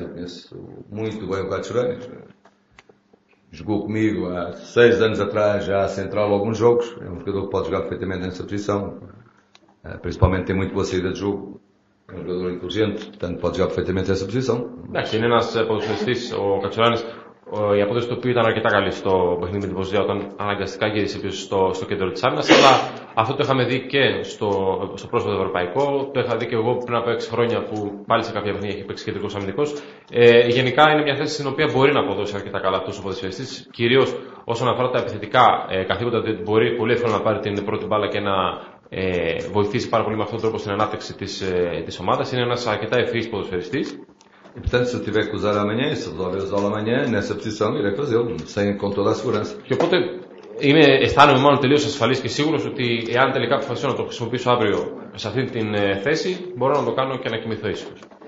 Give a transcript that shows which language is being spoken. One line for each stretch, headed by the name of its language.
Portuguese: Eu conheço muito bem o Cachorrenes. Jogou comigo há 6 anos atrás, já a central alguns jogos. É um jogador que pode jogar perfeitamente nessa posição. Principalmente tem muito boa saída de jogo. É um jogador inteligente, portanto pode jogar perfeitamente nessa posição. Sim, mas... é um jogador o Cachorrenes.
Greek: Η απόδοση του οποίου ήταν αρκετά καλή στο παιχνίδι με την Βοσνία όταν αναγκαστικά γύρισε πίσω στο κέντρο της άμυνας. Αλλά αυτό το είχαμε δει και στο πρόσφατο ευρωπαϊκό. Το είχα δει και εγώ πριν από 6 χρόνια που πάλι σε κάποια παιχνίδια είχε παίξει κεντρικός αμυντικός. Γενικά είναι μια θέση στην οποία μπορεί να αποδώσει αρκετά καλά αυτός ο ποδοσφαιριστής. Κυρίως όσον αφορά τα επιθετικά καθήκοντα, διότι μπορεί πολύ εύκολα να πάρει την πρώτη μπάλα και να βοηθήσει πάρα πολύ με αυτόν τον τρόπο στην ανάπτυξη της ομάδας. Είναι ένας αρκετά ευφυής ποδοσφαιριστής.
Portuguese: E portanto, se eu tiver que usar amanhã, e se eu resolver usar amanhã, nessa posição, irei fazê-lo, com toda a segurança.
Greek: Και οπότε, αισθάνομαι μόνο τελείως ασφαλής και σίγουρος ότι εάν τελικά αποφασίσω να το χρησιμοποιήσω αύριο σε αυτήν την θέση, μπορώ να το κάνω και να κοιμηθώ ίσως.